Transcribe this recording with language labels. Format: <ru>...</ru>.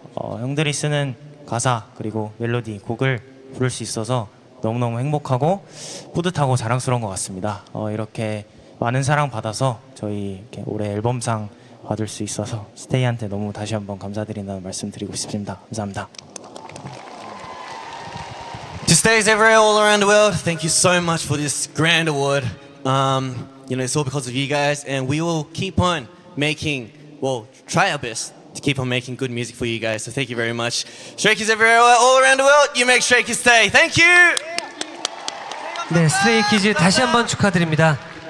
<ko>형들이 쓰는 가사, 그리고 멜로디, 곡을 부를 수 있어서 너무너무 행복하고 뿌듯하고 자랑스러운 것 같습니다. 이렇게 많은 사랑 받아서 저희 이렇게 올해 앨범상 받을 수 있어서 스테이한테 너무 다시 한번 감사드린다는 말씀 드리고 싶습니다. 감사합니다.</ko> <en>To stays everywhere all around the world, thank you so much for this grand award. You know, it's all because of you guys, and we will keep on making, well, try our best to keep on making good music for you guys. So thank you very much. Stray Kids everywhere, all around the world, you make Stray Kids stay. Thank you!</en> <ko>네, 스트레이 키즈 다시 한번 축하드립니다.</ko>